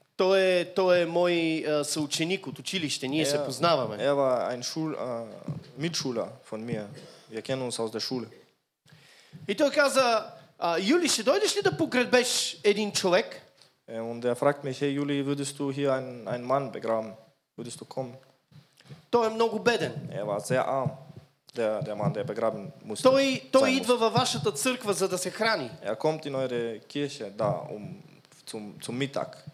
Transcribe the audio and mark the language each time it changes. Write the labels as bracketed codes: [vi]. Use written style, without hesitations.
[bg] Той е мой съученик от училище, ние се познаваме. [de] Er war ein Mitschüler von mir. Wir kennen uns aus der Schule. [bg] И той каза: "Юли, ще дойдеш ли да погребеш един човек?" [de] Und er fragt mich: "Hey Juli, würdest du hier einen Mann begraben? Würdest du kommen?" [bg] Той е много беден. [de] Er war sehr arm. Der Mann, der begraben musste. [bg] Той идва във вашата църква, за да се храни. [de] Er kommt in eure Kirche, da zum Mittag.